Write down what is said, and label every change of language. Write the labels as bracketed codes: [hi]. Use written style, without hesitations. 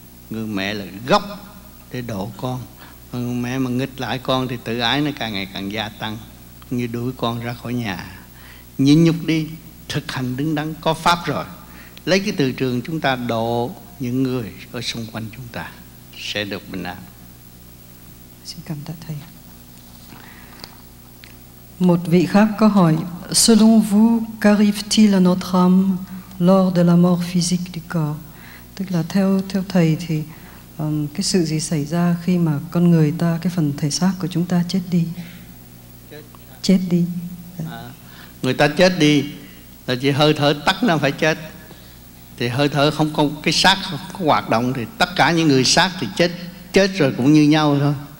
[vi] Người mẹ là gốc để độ con. Người mẹ mà nghịch lại con thì tự ái nó càng ngày càng gia tăng, như đuổi con ra khỏi nhà. Nhịn nhục đi, thực hành đứng đắn có pháp rồi. Lấy cái từ trường chúng ta độ những người ở xung quanh chúng ta sẽ được bình an. Xin cảm tạ thầy. Một vị khác có hỏi: [fr] Selon vous, qu'arrive-t-il à notre âme lors de la mort physique du corps? [vi] Tức là theo thầy thì cái sự gì xảy ra khi mà con người ta, cái phần thể xác của chúng ta chết đi? Chết đi. Người ta chết đi là chỉ hơi thở tắt nó phải chết. Thì hơi thở không có, cái xác không có hoạt động thì tất cả những người xác thì chết, chết rồi cũng như nhau thôi.